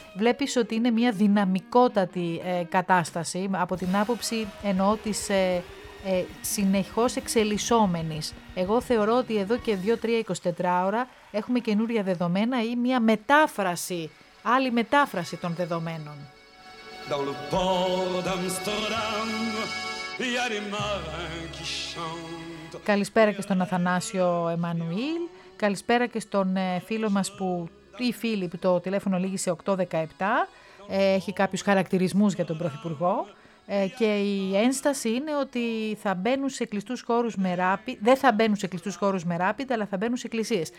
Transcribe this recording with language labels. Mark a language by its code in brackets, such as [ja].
[el] Βλέπεις ότι είναι μια δυναμικότατη κατάσταση, από την άποψη εννοώ της συνεχώς εξελισσόμενης. Εγώ θεωρώ ότι εδώ και 2-3-24 ώρα έχουμε καινούρια δεδομένα ή μια μετάφραση, άλλη μετάφραση των δεδομένων. [fr] Dans le port d'Amsterdam, y a des marins qui chantent. [el] Καλησπέρα και στον Αθανάσιο Εμμανουήλ, καλησπέρα και στον φίλο μας που, ή φίλη που το τηλέφωνο λήγει σε 8-17, έχει κάποιους χαρακτηρισμούς για τον Πρωθυπουργό. Και η ένσταση είναι ότι θα μπαίνουν σε κλειστούς χώρους με rapid, δεν θα μπαίνουν σε κλειστούς χώρους με rapid, αλλά θα μπαίνουν σε εκκλησίες.